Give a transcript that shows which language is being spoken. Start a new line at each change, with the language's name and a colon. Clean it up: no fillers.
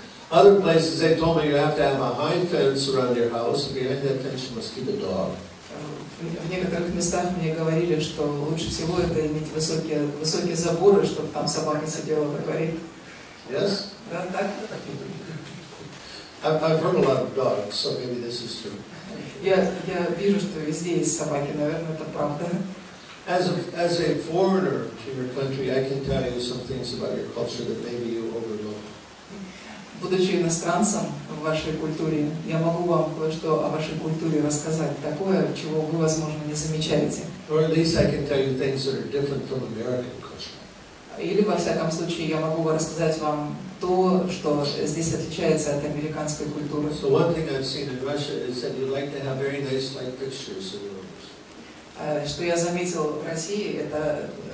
English: Other places they told me you have to have a high fence around your house and behind that fence you must keep a dog.
Russian: В некоторых местах мне говорили, что лучше всего это иметь высокие заборы, чтобы там собака сидела, как говорит.
English: Yes?
Russian: Да, так?
English: I've heard a lot of dogs, so maybe this is true.
Russian: Я вижу, что везде есть собаки, наверное, это правда.
English: As a foreigner to your country, I can tell you some things about your culture that maybe you overlook.
Russian: Будучи иностранцем в вашей культуре, я могу вам кое-что о вашей культуре рассказать, такое, чего вы, возможно, не замечаете.
English: Or at least I can tell you things that are different from American culture.
Russian: Или, во всяком случае, я могу рассказать вам то, что здесь отличается от американской культуры.
English: So one thing I've seen in Russia is that you like to have very nice light fixtures in your rooms.
Russian: Что я заметил в России, это...